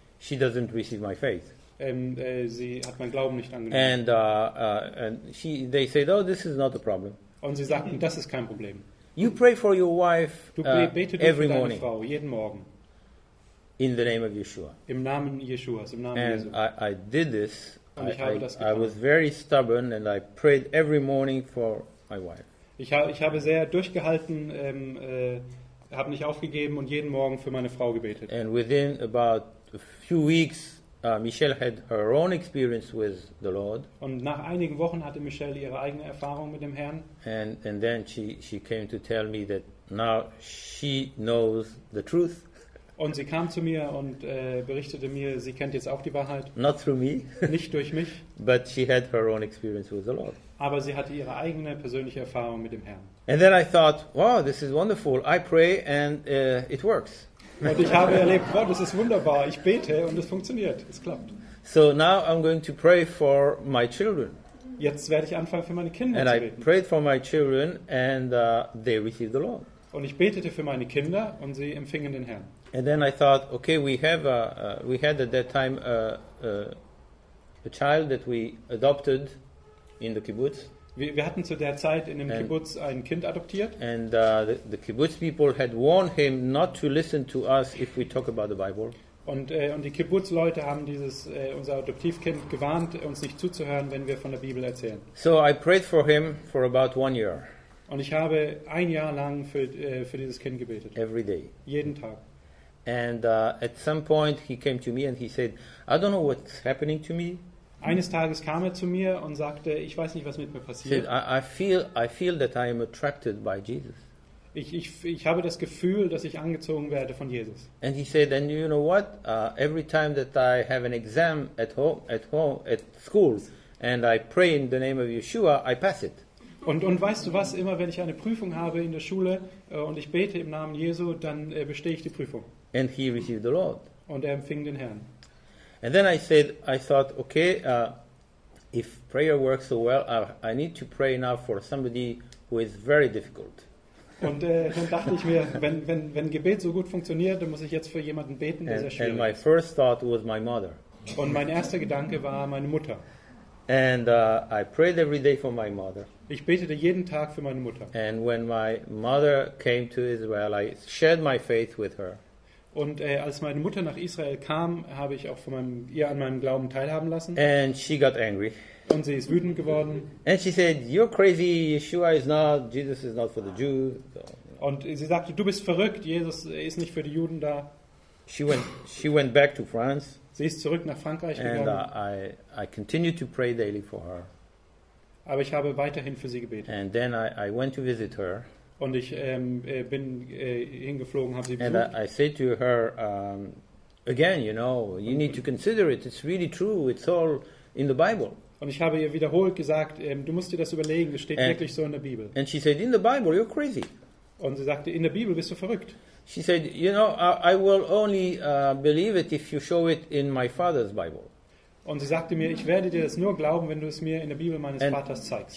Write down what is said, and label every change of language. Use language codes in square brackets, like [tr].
[en] She doesn't receive my faith. [de] Sie hat meinen Glauben nicht angenommen. [en] And they said, oh, this is not a problem. [de] Und sie sagten, das ist kein Problem. [en] You pray for your wife every morning. [de] Frau jeden Morgen. [en] In the name of Yeshua. [de] Im Namen Yeshuas, im Namen [en] Jesu. I did this. [de] Und ich habe das getan. [en] I was very stubborn and I prayed every morning for my wife. [de] Ich habe sehr durchgehalten, habe nicht aufgegeben und jeden Morgen für meine Frau gebetet. [en] And within about a few weeks, Michelle had her own experience with the Lord. [de] Und nach einigen Wochen hatte Michelle ihre eigene Erfahrung mit dem Herrn. [en] And then she came to tell me that now she knows the truth. [de] Und sie kam zu mir und berichtete mir, sie kennt jetzt auch die Wahrheit. [en] Not through me. [de] Nicht durch mich. [en] But she had her own experience with the Lord. [de] Aber sie hatte ihre eigene persönliche Erfahrung mit dem Herrn. [en] And then I thought, wow, this is wonderful. I pray and it works. [de] Und ich habe erlebt, wow, das ist wunderbar. Ich bete und es funktioniert. Es klappt. [en] So now I'm going to pray for my children. [de] Jetzt werde ich anfangen für meine Kinder [en] and [de] zu [en] I [de] beten. [en] And I prayed for my children and they received the Lord. [de] Und ich betete für meine Kinder und sie empfingen den Herrn. [en] And then I thought, okay, we had at that time a child that we adopted in the kibbutz. [de] Wir hatten zu der Zeit in dem Kibbutz ein Kind adoptiert. [en] And the kibbutz people had warned him not to listen to us if we talk about the Bible. [de] Und die Kibbutz-Leute haben unser Adoptivkind gewarnt, uns nicht zuzuhören, wenn wir von der Bibel erzählen. [en] So I prayed for him for about 1 year. [de] Und ich habe ein Jahr lang für dieses Kind gebetet. [en] Every day. [de] Jeden Tag. [en] And at some point he came to me and he said, I don't know what's happening to me. [de] Eines Tages kam zu mir und sagte, ich weiß nicht, was mit mir passiert. [en] Said, I feel that I am attracted by Jesus. [de] Ich habe das Gefühl, dass ich angezogen werde von Jesus. [en] And he said, and you know what? Every time that I have an exam at home, at school, and I pray in the name of Yeshua, I pass it. [de] Und weißt du was, immer wenn ich eine Prüfung habe in der Schule und ich bete im Namen Jesu, dann bestehe ich die Prüfung. [en] And he received the Lord. [de] Und er empfing den Herrn. [en] And then I thought, okay, if prayer works so well, I need to pray now for somebody who is very difficult. [de] Und dann dachte ich mir, wenn Gebet so gut funktioniert, dann muss ich jetzt für jemanden beten, der sehr schwierig ist. [en] And my first thought was my mother. [de] Und mein erster Gedanke war meine Mutter. [en] And I prayed every day for my mother. [de] Ich betete jeden Tag für meine Mutter. [en] And when my mother came to Israel, I shared my faith with her. [de] Und als meine Mutter nach Israel kam, habe ich auch ihr an meinem Glauben teilhaben lassen. [en] And she got angry. [de] Und sie ist wütend geworden. [en] And she said, you're crazy, Yeshua is not, Jesus is not for the Jews. So, [de] und sie sagte, du bist verrückt, Jesus ist nicht für die Juden da. [en] She went back to France. [de] Sie ist zurück nach Frankreich gegangen. [en] And I continued to pray daily for her. [de] Aber ich habe weiterhin für sie gebetet. [en] And then I went to visit her. [de] Und ich bin hingeflogen, habe sie besucht. [en] And I said to her, again, you know, you need to consider it. It's really true. It's all in the Bible. [de] Und ich habe ihr wiederholt gesagt, du musst dir das überlegen. Es steht wirklich so in der Bibel. [en] And she said, in the Bible, you're crazy. [de] Und sie sagte, in der Bibel bist du verrückt. [en] She said, you know, I will only believe it if you show it in my father's Bible. [de] Und sie sagte mir, ich werde dir das nur glauben, wenn du es mir in der Bibel meines Vaters zeigst.